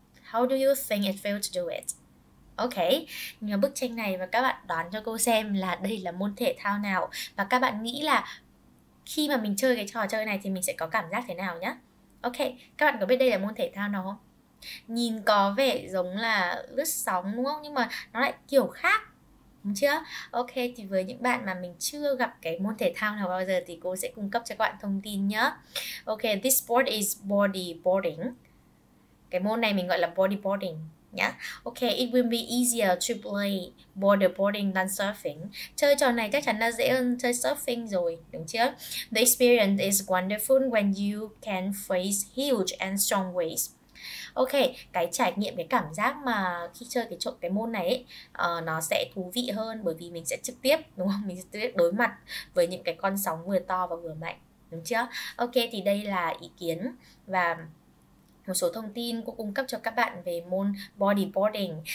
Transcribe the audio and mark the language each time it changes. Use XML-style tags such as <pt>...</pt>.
<en>How do you think it feels to do it? Okay.</en> <vi>Nhìn vào bức tranh này và các bạn đoán cho cô xem là đây là môn thể thao nào và các bạn nghĩ là khi mà mình chơi cái trò chơi này thì mình sẽ có cảm giác thế nào nhá? Okay, các bạn có biết đây là môn thể thao nào không? Nhìn có vẻ giống là lướt sóng đúng không? Nhưng mà nó lại kiểu khác. Chưa? Ok, thì với những bạn mà mình chưa gặp cái môn thể thao nào bao giờ thì cô sẽ cung cấp cho các bạn thông tin nhé.</vi> <en>Ok, this sport is bodyboarding.</en> <vi>Cái môn này mình gọi là bodyboarding nhá.</vi> <en>Ok, it will be easier to play bodyboarding than surfing.</en> <vi>Chơi trò này chắc chắn là dễ hơn chơi surfing rồi, đúng chưa?</vi> <en>The experience is wonderful when you can face huge and strong waves.</en> <vi>Ok, cái trải nghiệm, cái cảm giác mà khi chơi cái trộm cái môn này ấy, nó sẽ thú vị hơn bởi vì mình sẽ trực tiếp, đúng không? Mình sẽ trực tiếp đối mặt với những cái con sóng vừa to và vừa mạnh, đúng chưa? Ok, thì đây là ý kiến và một số thông tin cô cung cấp cho các bạn về môn bodyboarding.</vi>